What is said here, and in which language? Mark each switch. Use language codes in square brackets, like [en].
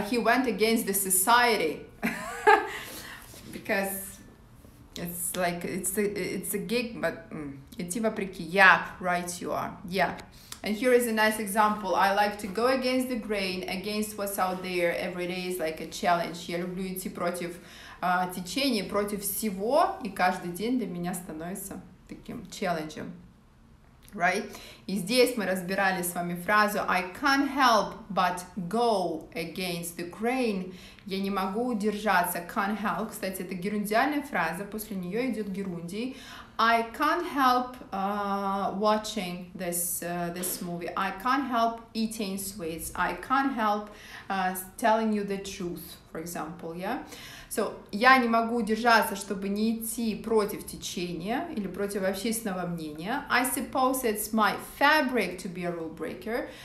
[en] He went against the society because it's a gig, but [ru] идти вопреки. [en] Yeah, right you are. Yeah. And here is a nice example. I like to go against the grain, against what's out there. Every day is like a challenge. [ru] Я люблю идти против течения, против всего, и каждый день для меня становится таким челленджем. [en] Right? [ru] И здесь мы разбирали с вами фразу [en] I can't help but go against the grain. [ru] Я не могу удержаться. [en] Can't help. [ru] Кстати, это герундиальная фраза. После нее идет герундий. [en] I can't help watching this movie. I can't help eating sweets. I can't help telling you the truth, for example. Yeah. [ru] So, я не могу удержаться, чтобы не идти против течения или против общественного мнения. [en] I suppose it's my fabric to be a rule breaker.